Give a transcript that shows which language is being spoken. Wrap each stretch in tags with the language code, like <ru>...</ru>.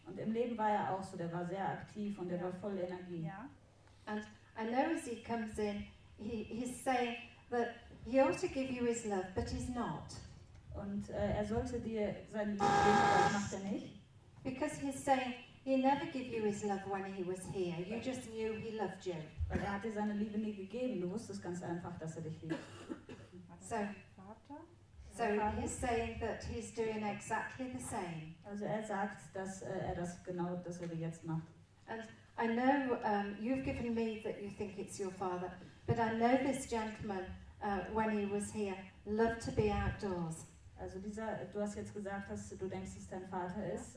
<de>Und im Leben war er auch so, der war sehr aktiv und er war voll Energie.</de> <en>Yeah. And I know as he comes in, he's saying that he ought to give you his love, but he's not.</en> <de>Und er sollte dir seine Liebe geben, aber das macht er nicht.</de> <en>Because he's saying he never gave you his love when he was here. You just knew he loved you.</en> <de>Weil er hat dir seine Liebe nie gegeben. Du wusstest ganz einfach, dass er dich liebt.</de> <en>So he's saying that he's doing exactly the same.</en> <de>Also er sagt, dass er das genau dasselbe jetzt macht.</de> <en>And I know you've given me that you think it's your father, but I know this gentleman when he was here loved to be outdoors.</en> <de>Also dieser, du hast jetzt gesagt, dass du denkst, dass dein Vater ist.</de>